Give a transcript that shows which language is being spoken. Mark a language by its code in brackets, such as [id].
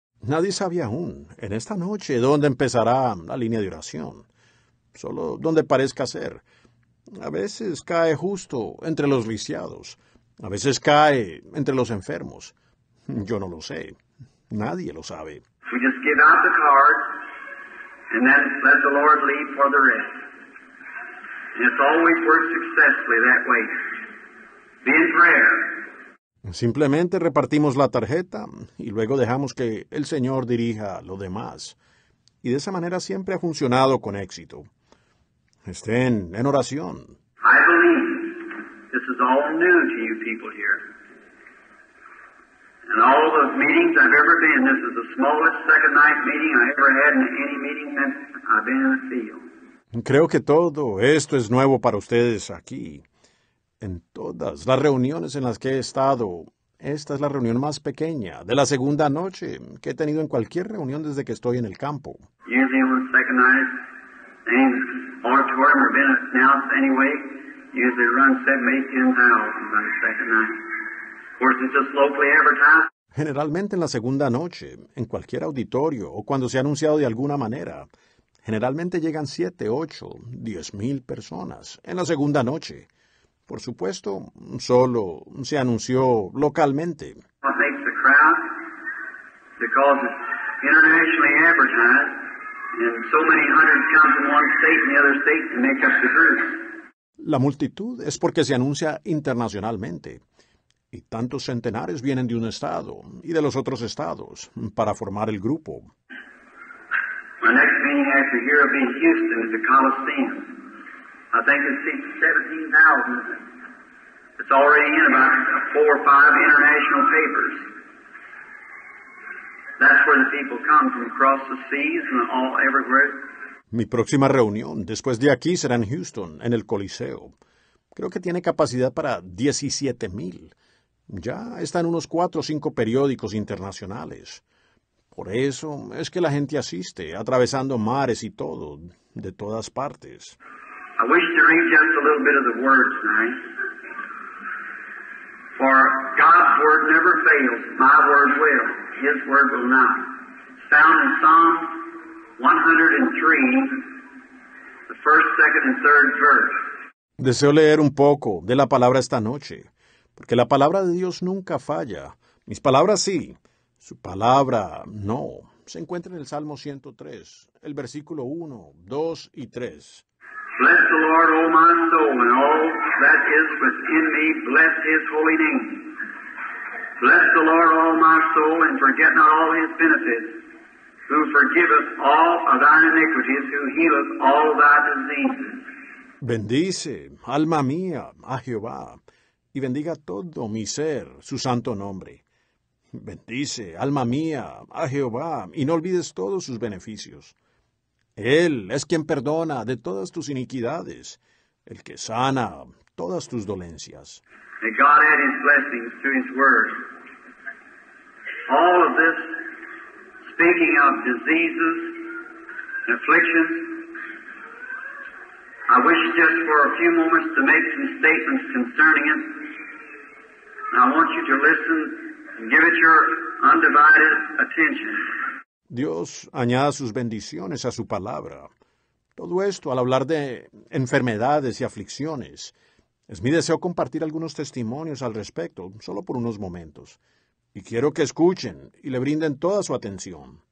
[es] Nadie sabía aún, en esta noche, dónde empezará la línea de oración. Solo donde parezca ser. A veces cae justo entre los lisiados. A veces cae entre los enfermos. Yo no lo sé. Nadie lo sabe. [en] We just give out the card and then let the Lord lead for the rest. And it's always worked successfully that way. Be in prayer. [es] Simplemente repartimos la tarjeta y luego dejamos que el Señor dirija lo demás. Y de esa manera siempre ha funcionado con éxito. Estén en oración. [en] I believe this is all new to you people here. In all the meetings I've ever been, this is the smallest second night meeting I ever had in any meeting since I've been in the field. [es] Creo que todo esto es nuevo para ustedes aquí. En todas las reuniones en las que he estado, esta es la reunión más pequeña de la segunda noche que he tenido en cualquier reunión desde que estoy en el campo. [en] Usually on the second night, in auditorium or been announced anyway, usually run 7, 8, 10 miles on the second night. Of course, it's just locally advertised. [es] Generalmente en la segunda noche, en cualquier auditorio o cuando se ha anunciado de alguna manera, generalmente llegan 7, 8, 10 mil personas en la segunda noche. Por supuesto, solo se anunció localmente. [en] What makes the crowd? Because it's internationally advertised, and so many hundreds come from one state and the other state to make up the group. [es] La multitud es porque se anuncia internacionalmente, y tantos centenares vienen de un estado y de los otros estados para formar el grupo. [en] My next meeting after here will be in Houston at the Coliseum. I think it seats 17,000. It's already in about 4 or 5 international papers. That's where the people come from across the seas and all everywhere. [es] Mi próxima reunión después de aquí será en Houston, en el Coliseo. Creo que tiene capacidad para 17,000. Ya está en unos 4 o 5 periódicos internacionales. Por eso es que la gente asiste, atravesando mares y todo, de todas partes. [en] I wish to read just a little bit of the words tonight. For God's word never fails, my word will, his word will not. It's found in Psalm 103, the first, second, and third verse. [es] Deseo leer un poco de la palabra esta noche, porque la palabra de Dios nunca falla. Mis palabras sí, su palabra no. Se encuentra en el Salmo 103, el versículo 1, 2 y 3. [en] Bless the Lord, O my soul, and all that is within me, bless his holy name. Bless the Lord, O my soul, and forget not all his benefits, who forgiveth all of thine iniquities, who healeth all thy diseases. [es] Bendice, alma mía, a Jehová, y bendiga todo mi ser, su santo nombre. Bendice, alma mía, a Jehová, y no olvides todos sus beneficios. Él es quien perdona de todas tus iniquidades, el que sana todas tus dolencias. [en] May God add his blessings to his word. All of this, speaking of diseases and afflictions, I wish just for a few moments to make some statements concerning it. And I want you to listen and give it your undivided attention. [es] Dios añada sus bendiciones a su palabra. Todo esto al hablar de enfermedades y aflicciones. Es mi deseo compartir algunos testimonios al respecto, solo por unos momentos. Y quiero que escuchen y le brinden toda su atención.